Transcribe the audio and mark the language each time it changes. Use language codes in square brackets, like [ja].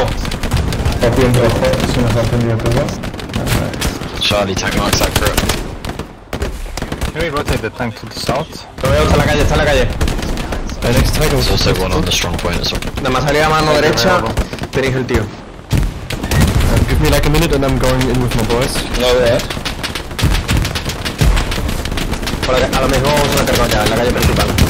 [es] Está bien rojo, si nos ha encendido todo. [en] Charlie, tank marks accurate. Can we rotate the tank to the south? [es] Lo veo, está en la calle. El extraño. [en] There's also one on the strong point as well. [es] Nada más salir a mano derecha, tenéis el tío. [en] Give me like a minute and I'm going in with my boys. [es] No, de verdad. A lo mejor se lo cargó ya, en la calle principal.